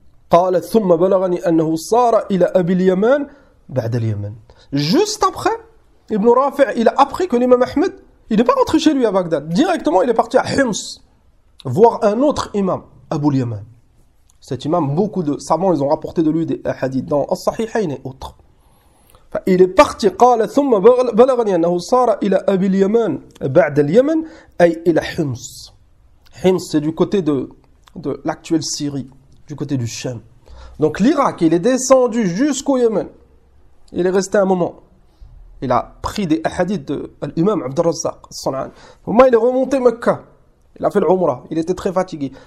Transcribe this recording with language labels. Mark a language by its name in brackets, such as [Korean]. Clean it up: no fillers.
[Arabic] قال ثم بلغني انه صار الى ابي اليمن بعد اليمن. [French] Juste après, Ibn Rafi' il a appris que l'imam Ahmed il n'est pas rentré chez lui à Bagdad. Directement, il est parti à Homs voir un autre imam, Abu al-Yaman. Cet imam, beaucoup de savants ils ont rapporté de lui des hadiths dans As-Sahihayn et autres. Il est parti. [Arabic] قال ثم بلغني انه صار الى ابي اليمن بعد اليمن اي الى Homs. [French] Homs, c'est du côté de l'actuelle Syrie. Du côté du Shem. Donc l'Irak, il est descendu jusqu'au Yémen. Il est resté un moment. Il a pris des hadiths de l'imam Abd al-Razzaq. Il est remonté Mecca. Il a fait l'Umrah. Il était très fatigué.